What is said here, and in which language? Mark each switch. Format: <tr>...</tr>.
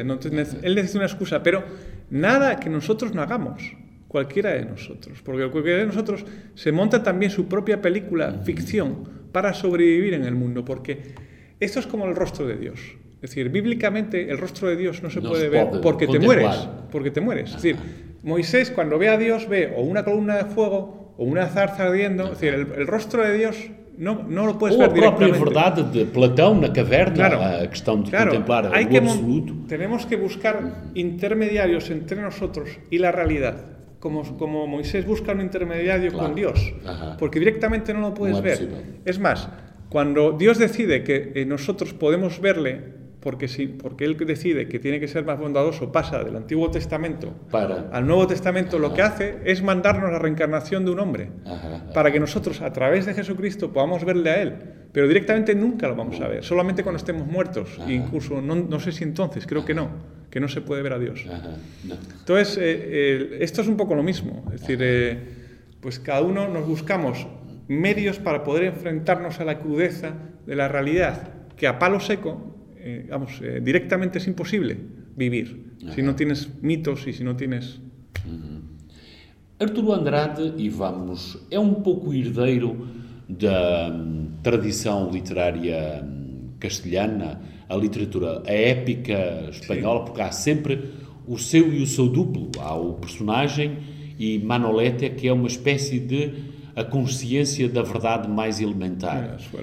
<es>Entonces, él necesita una excusa, pero nada que nosotros no hagamos, cualquiera de nosotros, porque cualquiera de nosotros se monta también su propia película, ficción, para sobrevivir en el mundo, porque esto es como el rostro de Dios. Es decir, bíblicamente el rostro de Dios no se puede ver porque te mueres. Porque te mueres. Es decir, Moisés cuando ve a Dios ve o una columna de fuego o una zarza ardiendo. Es decir, el rostro de Dios no lo puedes ver directamente.</es> <pt>O a própria verdade de Platão na caverna, claro, a questão de contemplar o absoluto.</pt> <es>Tenemos que buscar intermediarios entre nosotros y la realidad. Como Moisés busca un intermediario con Dios. Porque directamente no lo puedes ver. Es más, cuando Dios decide que nosotros podemos verle, porque Él decide que tiene que ser más bondadoso, pasa del Antiguo Testamento al Nuevo Testamento, lo que hace es mandarnos la reencarnación de un hombre, para que nosotros, a través de Jesucristo, podamos verle a Él. Pero directamente nunca lo vamos a ver, solamente cuando estemos muertos. Incluso, no sé si entonces, creo que no se puede ver a Dios. Entonces, esto es un poco lo mismo. Es decir, pues cada uno nos buscamos medios para poder enfrentarnos a la crudeza de la realidad, que a palo seco, directamente es imposible vivir, si no tienes mitos y si no tienes...</es> <pt>Arturo Andrade, é um pouco herdeiro da tradição literária castelhana, a literatura, a épica espanhola, porque há sempre o seu e o seu duplo. Há o personagem e Manolete, que é uma espécie de a consciência da verdade mais elementar.</pt>